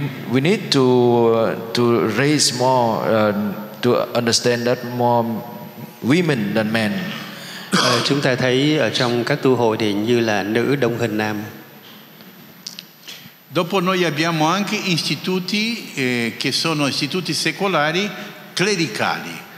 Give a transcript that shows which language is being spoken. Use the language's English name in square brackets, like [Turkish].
[English] We need to raise more to understand that more women than men. [Vietnamese] Chúng ta thấy ở trong các tu hội thì như là nữ đông hơn nam. [Italian] Dopo noi abbiamo anche istituti che sono istituti secolari clericali.